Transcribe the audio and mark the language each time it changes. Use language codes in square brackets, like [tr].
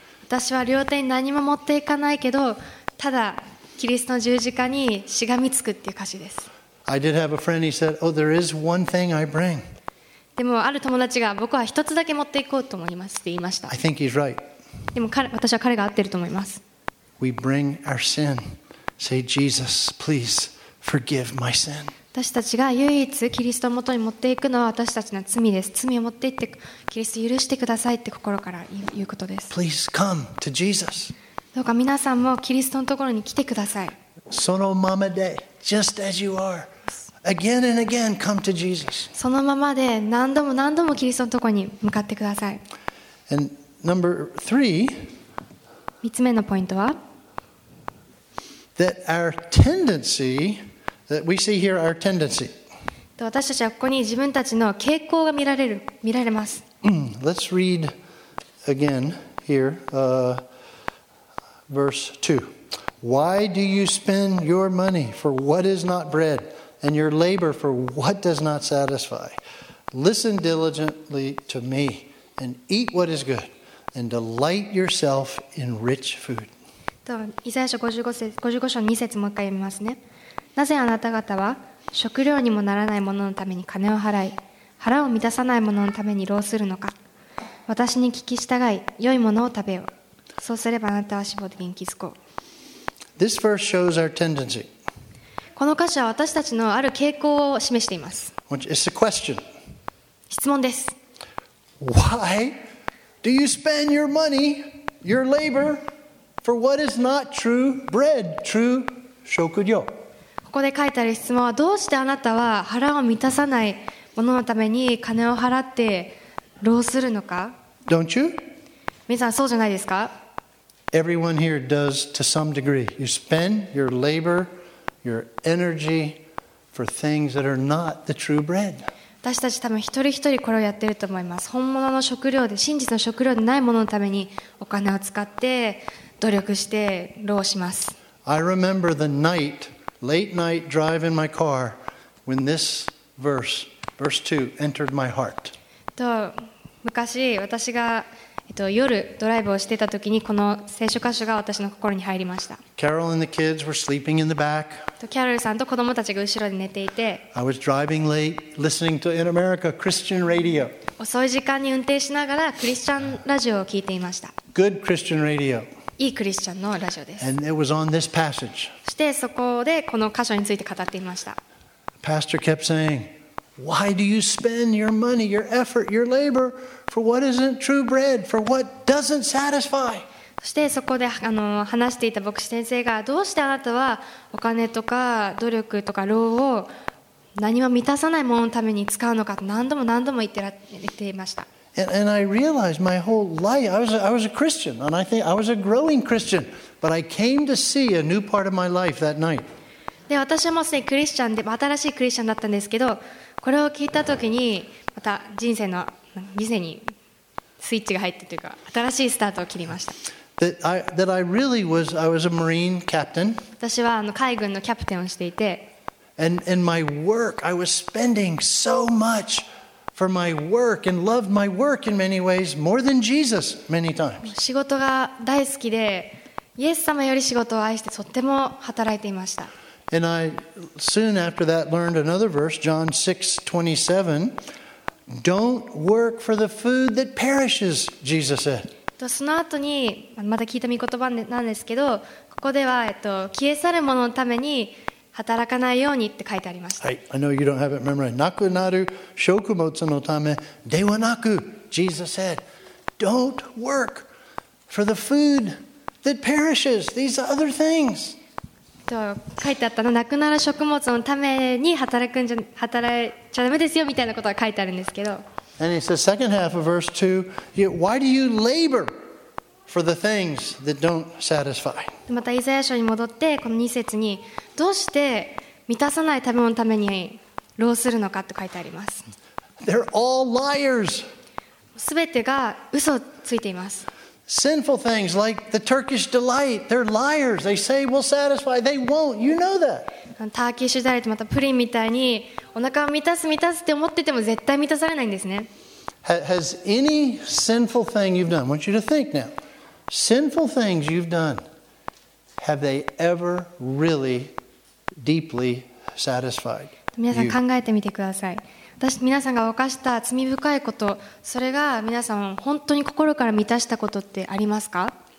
[ja] 私は両手に何も持っていかないけど、ただキリストの十字架にしがみつくっていう歌詞です。 [en] I did have a friend. He said, "Oh, there is one thing I bring." [ja] でもある友達が僕は一つだけ持っていこうと思いますって言いました。 [en] I think he's right. [ja] でも私は彼が合ってると思います。 [en] We bring our sin. Say, "Jesus, please forgive my sin." [ja] 私たちが唯一キリストの元に持っていくのは私たちの罪です。罪を持っていってキリスト許してくださいって心から言うことです。 [en] Please come to Jesus. [ja] どうか皆さんもキリストのところに来てください。そのままで、 [en] just as you are, again and again, come to Jesus. [ja] そのままで何度も何度もキリストのところに向かってください。 [en] And number three, [ja] 三つ目のポイントは、 [en] that our tendency. That we see here our tendency. [ja] 私たちはここに自分たちの傾向が見られます。 [en] Let's read again here, verse 2. Why do you spend your money for what is not bread, and your labor for what does not satisfy? Listen diligently to me, and eat what is good, and delight yourself in rich food. [ja] イザヤ書55章2節もう一回読みますね。なぜあなた方は食料にもならないもののために金を払い、腹を満たさないもののために浪するのか。私に聞き従い、良いものを食べよう。そうすればあなたは脂肪で元気づこう。 [en] This verse shows our tendency. [ja] この歌詞は私たちのある傾向を示しています。 [en] It's a question. [ja] 質問です。 [en] Why do you spend your money, your labor, for what is not true bread, true 食料? [ja] ここで書いてある質問は、どうしてあなたは腹を満たさないもののために金を払って浪するのか。 [en] Don't you? [ja] 皆さんそうじゃないですか。 [en] Everyone here does to some degree. You spend your labor, your energy for things that are not the true bread. [ja] 私たち多分一人一人これをやってると思います。本物の食料で、真実の食料でないもののためにお金を使って努力して浪します。 [en] I remember the night. Late night driving my car when this verse, verse 2, entered my heart. [ja] と昔私が夜ドライブをしてた時にこの聖書箇所が私の心に入りました。 [en] Carol and the kids were sleeping in the back. [ja] キャロルさんと子供たちが後ろで寝ていて。 [en] I was driving late, listening to In America Christian Radio. [ja] 遅い時間に運転しながらクリスチャンラジオを聞いていました。 [en] Good Christian Radio. [ja] いいクリスチャンのラジオです。 [en] And it was on this passage. [ja] そしてそこでこの箇所について語っていました。 [en] Pastor kept saying, "Why do you spend your money, your effort, your labor?" For what isn't true bread, for what doesn't satisfy. [ja] そしてそこで話していた牧師先生がどうしてあなたはお金とか努力とか労を何も満たさないもののために使うのかと何度も何度も言っていました。 [en] And I realized my whole life, I was a Christian, and I think I was a growing Christian, but I came to see a new part of my life that night. [ja] で私はもうすでにクリスチャンで新しいクリスチャンだったんですけど、これを聞いたときにまた人生の人生にスイッチが入ってというか新しいスタートを切りました。 [en] That I was a Marine captain. [ja] 私は海軍のキャプテンをしていて。 [en] And my work, I was spending so much for my work and loved my work in many ways more than Jesus many times. [ja] 仕事が大好きで、イエス様より仕事を愛してとっても働いていました。 [en] And I soon after that learned another verse, John 6:27. Don't work for the food that perishes, Jesus said. [ja] その後にまた聞いた見言葉なんですけど、ここでは消え去るもののために働かないようにって書いてありました。 [en] はい、I know you don't have it memorized. [ja] なくなる食物のためではなく、 [en] Jesus said, don't work for the food that perishes. These other things. [ja] と書いてあったの、亡くなる食物のために働いちゃダメですよみたいなことが書いてあるんですけど。 [en] And it says second half of verse two, why do you labor for the things that don't satisfy? [ja] またイザヤ書に戻ってこの2節にどうして満たさない食べ物のために労するのかと書いてあります。 [en] They're all liars. [ja] すべてが嘘ついています。 [en] Sinful things like the Turkish delight, they're liars. They say we'll satisfy, they won't. You know that. [ja] Turkish delight, またプリンみたいにお腹を満たす満たすって思ってても絶対満たされないんですね。 [en] Has any sinful thing you've done? I want you to think now. Sinful things you've done, have they ever really deeply satisfied you? [ja] 皆さん考えてみてください。私皆さんが犯した罪深いこと、それが皆さん本当に心から満たしたことってありますか？